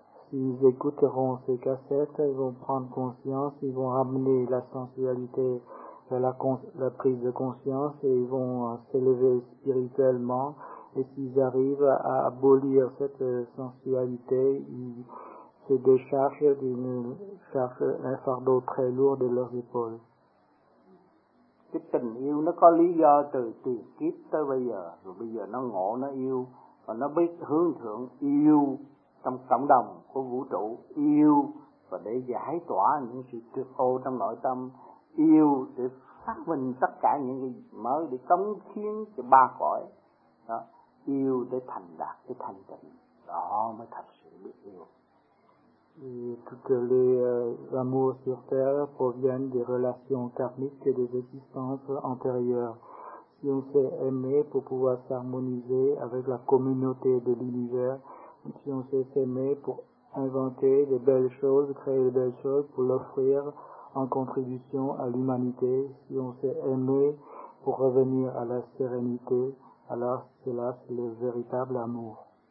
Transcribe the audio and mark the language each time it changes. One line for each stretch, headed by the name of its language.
French: S'ils écouteront ces cassettes, ils vont prendre conscience, ils vont ramener la sensualité vers la prise de conscience et ils vont s'élever spirituellement. Et s'ils arrivent à abolir cette sensualité, ils se déchargent d'une charge, un fardeau très lourd de leurs épaules.
Vietnamese: Cái tình yêu nó có lý do từ tiền kiếp tới bây giờ, rồi bây giờ nó ngộ, nó yêu, và nó biết hướng thượng yêu. Trong cộng đồng của vũ trụ, yêu và để giải tỏa những sự trượt ô trong nội tâm, yêu để phát minh tất cả những cái mới, để cống hiến cho ba cõi, đó. Yêu để thành đạt cái thanh tịnh, đó mới thật sự biết yêu.
French: Toutes les amours sur terre proviennent des relations karmiques et des existences antérieures. Si on s'est aimé pour pouvoir s'harmoniser avec la communauté de l'univers, si on sait s'aimer pour inventer des belles choses, créer des belles choses, pour l'offrir en contribution à l'humanité, si on sait aimer pour revenir à la sérénité, alors cela, c'est le véritable amour.